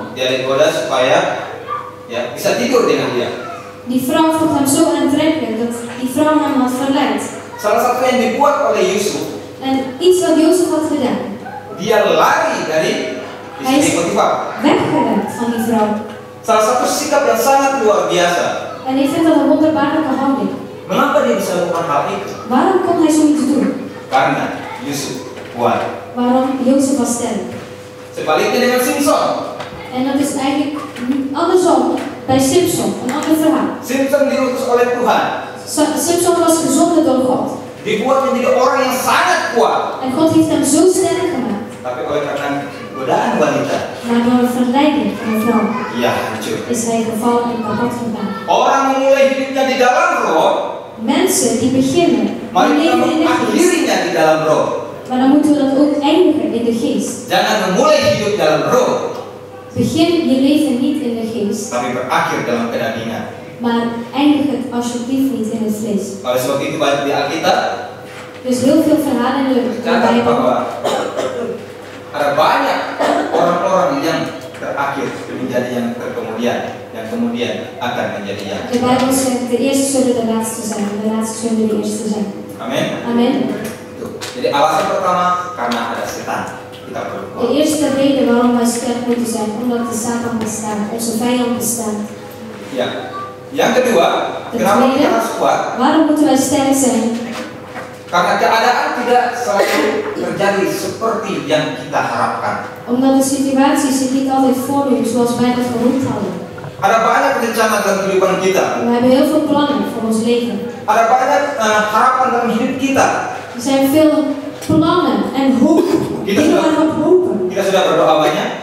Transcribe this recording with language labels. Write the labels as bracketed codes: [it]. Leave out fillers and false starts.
[id] Dia digoda supaya ya bisa tidur dengan dia. [nl] Die vrouw vond hem zo aantrekkelijk dat die vrouw hem had verleid. [id] Salah satu yang dibuat oleh Yusuf. [nl] En iets wat Yusuf had gedaan. [id] Dia lari dari istri Potifar. [nl] Weggerend van die vrouw. [id] Salah satu sikap yang sangat luar biasa. [nl] En ik vind dat een wonderbaarlijke handeling. [id] Mengapa dia bisa melakukan hal itu? [nl] Waarom kon hij zoiets doen? [id] Karena Yusuf kuat. [nl] Waarom Yusuf was sterk? [id] Sebaliknya dengan Simpson. [nl] En dat is eigenlijk andersom bij Simpson, een ander verhaal. [id] Simpson diutus oleh Tuhan. [nl] Simpson was gezonden door God. [id] Dibuat menjadi orang yang sangat kuat. [nl] En God heeft hem zo sterk gemaakt. [id] Tapi oleh karena godaan wanita. [nl] Maar door een verleiding van een vrouw. [id] Ja, hancur. [nl] Is hij gevallen en kapot gegaan. [id] Orang memulai hidupnya di dalam roh. [nl] Mensen die beginnen. [id] Mari kita mengakhirinya di dalam roh. [nl] Maar dan moeten we dat ook eindigen in de geest. [id] Jangan memulai hidup dalam roh. [nl] Begin je leven niet in de geest. [id] Tapi berakhir dalam kedagingan. [nl] Maar eindig het alsjeblieft niet in het vlees. [id] Oleh sebab itu banyak di Alkitab. [nl] Dus heel veel verhalen in de Bijbel. [id] Ada banyak orang-orang yang terakhir menjadi yang terkemudian, yang kemudian akan menjadi yang. [nl] De Bijbel zegt de eerste zullen de laatste zijn, de laatste zullen de eerste zijn. [id] Amen. [nl] Amen. [id] Jadi alasan pertama karena ada setan. [nl] De eerste reden waarom wij sterk moeten zijn, omdat de Satan bestaat, onze vijand bestaat. [id] Ja. Yang kedua, kenapa kita harus kuat? [nl] Waarom moeten wij sterk zijn? [id] Karena keadaan tidak selalu terjadi seperti yang kita harapkan. [nl] Omdat de situatie zich niet altijd voordoet zoals wij dat gehoopt hadden. [id] Ada banyak rencana dalam kehidupan kita. [nl] We hebben heel veel plannen voor ons leven. [id] Ada banyak harapan dalam hidup kita. [nl] Er zijn veel plannen en hoop. [id] Kita sudah berdoa banyak.